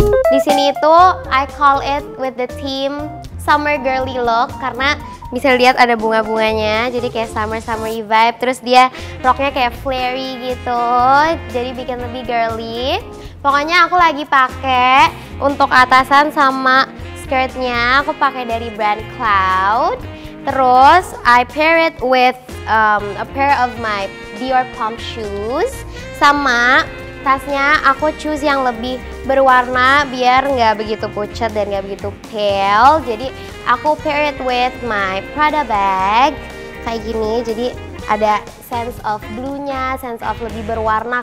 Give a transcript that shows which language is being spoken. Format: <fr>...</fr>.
<id>Di sini itu I call it with the theme summer girly look, karena bisa lihat ada bunga-bunganya, jadi kayak summer vibe. Terus dia roknya kayak flary gitu, jadi bikin lebih girly. Pokoknya aku lagi pakai untuk atasan sama skirtnya, aku pakai dari brand Cloud.</id> <en>Terus I pair it with a pair of my Dior pump shoes.</en> <id>Sama tasnya aku choose yang lebih berwarna biar nggak begitu pucat dan nggak begitu pale. Jadi aku pair it with my Prada bag kayak gini, jadi ada sense of blue-nya, sense of lebih berwarna.</id>